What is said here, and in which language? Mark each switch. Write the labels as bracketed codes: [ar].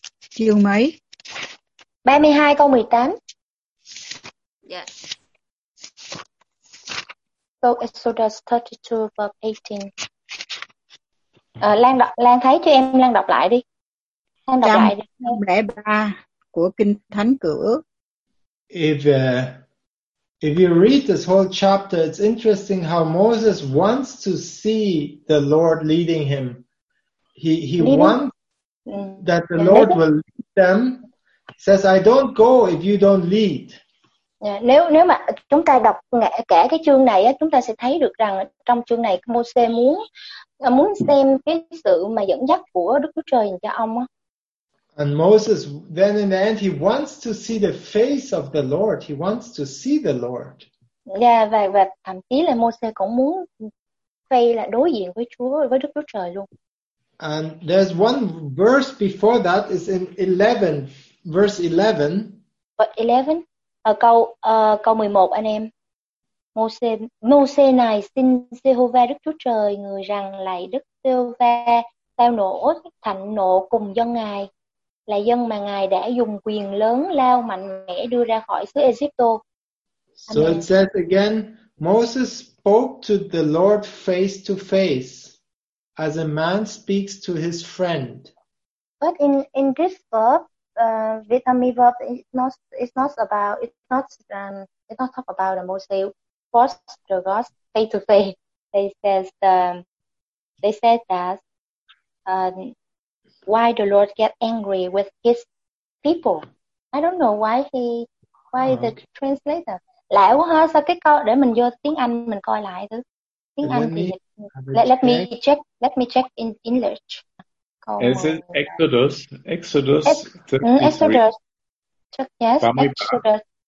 [vi] Chiều mấy? 32 câu 18. Dạ. Yeah. [en] So Exodus 32 verse 18. [vi] Lan thấy cho em Lan đọc lại đi. Lan đọc lại đi. 103 của Kinh Thánh Cửa. [en] If you read this whole chapter, it's interesting how Moses wants to see the Lord leading him. He leading. Wants that the Lord will lead them. Says I don't go if you don't lead. [vi] Nếu mà chúng ta đọc cả cái chương này á, chúng ta sẽ thấy được rằng trong chương này Moses muốn xem cái sự mà dẫn dắt của Đức Chúa Trời cho ông á. [en] And Moses then in the end he wants to see the face of the Lord, he wants to see the Lord. [vi] Yeah, và thậm chí là Moses cũng muốn quay lại đối diện với Chúa, với Đức Chúa Trời luôn. [en] And there's one verse before that is in 11, verse 11. [vi] But 11 câu 11 anh em. Môsê này xin Jehovah Đức Chúa Trời người rằng lạy Đức Jehovah tao nổ thạnh nộ cùng dân Ngài, là dân mà Ngài đã dùng quyền lớn lao mạnh mẽ đưa ra khỏi xứ Egypto. [en] So it says again, Moses spoke to the Lord face to face as a man speaks to his friend. But in this verse, Vietnam verb, it's not talk about the Moses first to God face to face. They said that why the Lord get angry with his people. I don't know why the translator. [vi] Lại quá ha, sao cái câu để mình vô tiếng Anh mình coi lại thứ tiếng Anh [en] thì let me check in English. Is it Exodus? Exodus. Exodus. Yes. Exodus.